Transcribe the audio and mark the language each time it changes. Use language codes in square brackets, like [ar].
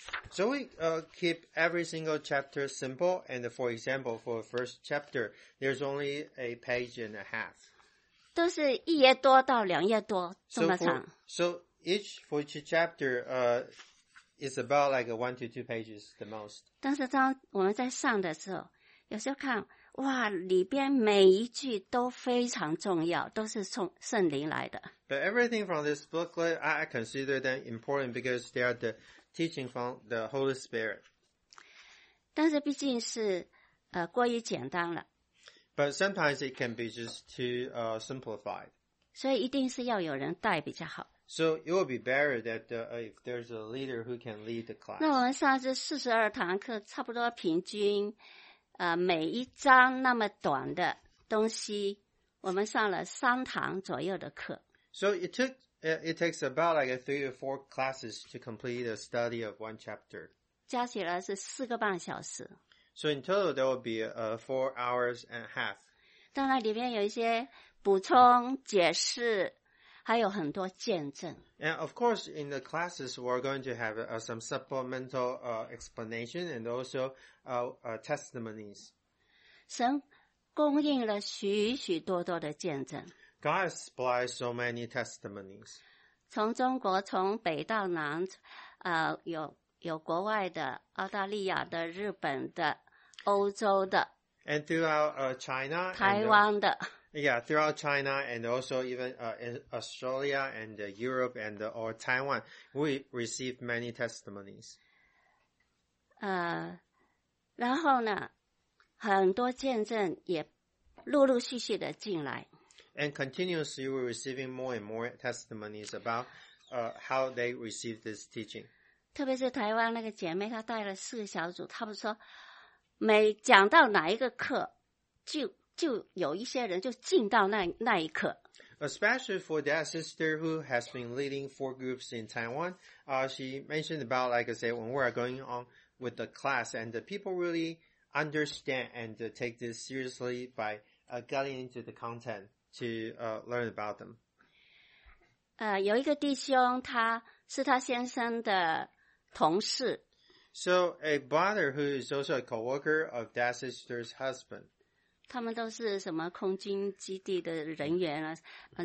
[en] So we keep every single chapter simple and for example for the first chapter there's only a page and a half [zh] 都是一页多到两页多这么长 [en] So each chapter is about like a 1 to 2 pages the most [zh] 但是当我们在上的时候有时候看哇里边每一句都非常重要都是从圣灵来的 [en] But everything from this booklet I consider them important because they are the teaching from the Holy Spirit [zh] 但是毕竟是过于简单了 [en] But sometimes it can be just too simplified [zh] 所以一定是要有人带比较好 [en] So it will be better that if there's a leader who can lead the class [zh] 那我们上次42堂课差不多平均每一章那么短的东西我们上了三堂左右的课 [en] So it takes about like a 3 or 4 classes to complete a study of one chapter [zh] 加起来是4.5小时 [en] So in total there will be 4 hours and a half [zh] 当然里面有一些补充解释还有很多见证 [en] And of course in the classes we're going to have some supplemental explanation and alsotestimonies. [zh] 神供应了许许多多的见证。 [en] God has supplied so many testimonies. [zh] 从中国从北到南有国外的澳大利亚的日本的欧洲的。 [en] And throughout China, [zh] 台湾的。 [en] Yeah, throughout China and also even Australia and Europe and or Taiwan, we received many testimonies. [zh] 然后呢，很多见证也陆陆续续的进来。 [en] And continuously, we're receiving more and more testimonies about how they received this teaching. [zh] 特别是台湾那个姐妹，她带了四个小组，她们说每讲到哪一个课，就有一些人就进到那一课。 [en] Especially for that sister who has been leading four groups in Taiwan, she mentioned about, like I said, when we are going on. With the class, and the people really understand and take this seriously by getting into the content to learn about them. [zh] 有一个弟兄，他是他先生的同事。 [en] So a brother who is also a coworker of that sister's husband. [zh] 他们都是什么空军基地的人员啊？